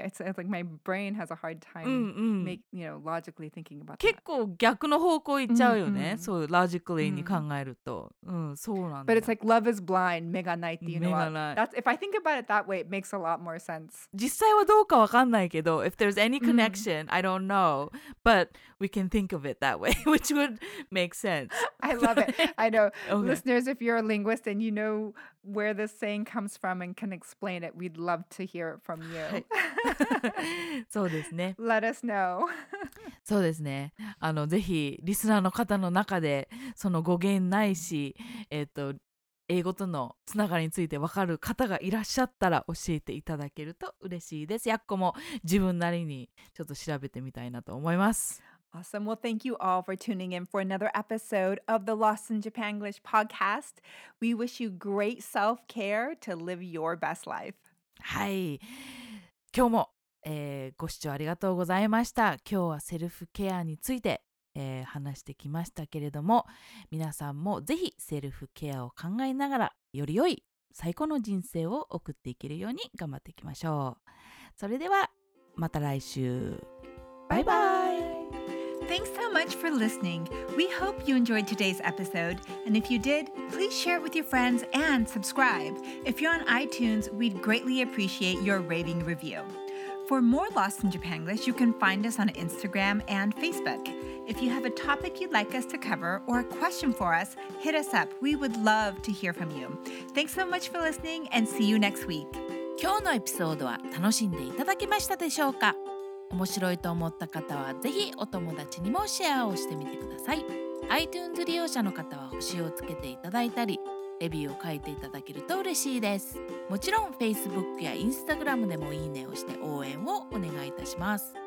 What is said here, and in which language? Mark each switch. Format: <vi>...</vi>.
<en>It's like my brain has a hard time make, you know, logically thinking about</en> <ja>結構逆の方向行っちゃうよね。そう、logically に考えると。そうなんだ。</ja> <en>But it's like love is blind,</en> <ja>目がないっていうのは。目がない。</ja> <en>That's, if I think about it that way, it makes a lot more sense.</en> <ja>実際はどうかわかんないけど、</ja> <en>if there's any connection, I don't know. But we can think of it that way, which would make sense. I love it. I know. Okay. Listeners, if you're a linguist and you know where this saying comes from and can explain it, we'd love to hear it from you.</en> <ja>そうですね。</ja> <en>Let us know.</en> <ja>そうですね。あの、ぜひリスナーの方の中でその語源ないし、英語とのつながりについて分かる方がいらっしゃったら教えていただけると嬉しいです。やっこも自分なりにちょっと調べてみたいなと思います。</ja> <en>Awesome. Well, thank you all for tuning in for another episode of the Lost in Japanglish podcast. We wish you great self-care to live your best life.</en> <ja>はい。今日も、ご視聴ありがとうございました。今日はセルフケアについて、話してきましたけれども、皆さんもぜひセルフケアを考えながら、より良い最高の人生を送っていけるように頑張っていきましょう。それでは、また来週。バイバイ。</ja> <en>Thanks so much for listening. We hope you enjoyed today's episode. And if you did, please share it with your friends and subscribe. If you're on iTunes, we'd greatly appreciate your raving review. For more Lost in Japanglish, you can find us on Instagram and Facebook. If you have a topic you'd like us to cover or a question for us, hit us up. We would love to hear from you. Thanks so much for listening and see you next week.</en> <ja>今日のエピソードは楽しんでいただけましたでしょうか?面白いと思った方はぜひお友達にもシェアをしてみてください。 iTunes 利用者の方は星をつけていただいたりレビューを書いていただけると嬉しいです。もちろん Facebook や Instagram でもいいねをして応援をお願いいたします。</ja>